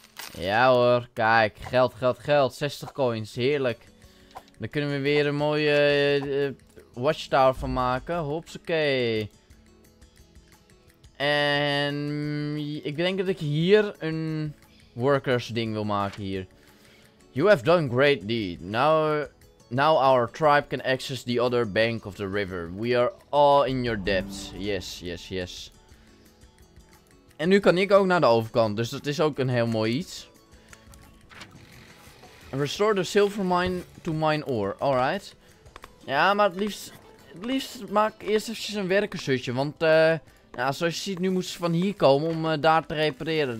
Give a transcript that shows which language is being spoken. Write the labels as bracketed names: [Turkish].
[Dutch] Ja hoor, kijk, geld, geld, geld, 60 coins, heerlijk. Dan kunnen we weer een mooie watchtower van maken, hopsakee. En ik denk dat ik hier een workers ding wil maken hier. [English] You have done great deed, now our tribe can access the other bank of the river. We are all in your debt, yes, yes, yes. [Dutch] En nu kan ik ook naar de overkant, dus dat is ook een heel mooi iets. [English] Restore the silver mine to mine ore. Alright. [Dutch] Ja, maar het liefst maak eerst even een werkershutje. Want ja, zoals je ziet, nu moet ze van hier komen om daar te repareren.